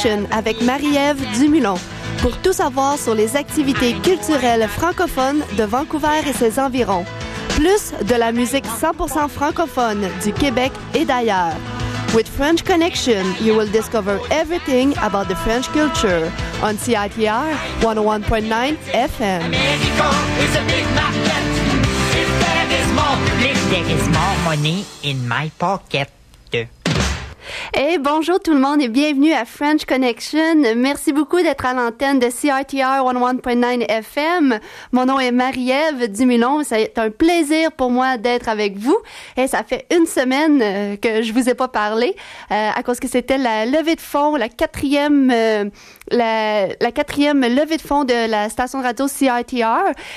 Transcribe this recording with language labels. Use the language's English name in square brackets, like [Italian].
[French] Avec Marie-Ève Dumoulin pour tout savoir sur les activités culturelles francophones de Vancouver et ses environs, plus de la musique 100% francophone du Québec et d'ailleurs. [English] With French Connection, you will discover everything about the French culture on CITR 101.9 FM. [French] Hey, bonjour tout le monde et bienvenue à French Connection. Merci beaucoup d'être à l'antenne de CITR 101.9 FM. Mon nom est Marie-Ève Dumoulin. C'est un plaisir pour moi d'être avec vous. Et ça fait une semaine que je vous ai pas parlé à cause que c'était la levée de fonds, la quatrième levée de fonds de la station de radio CITR.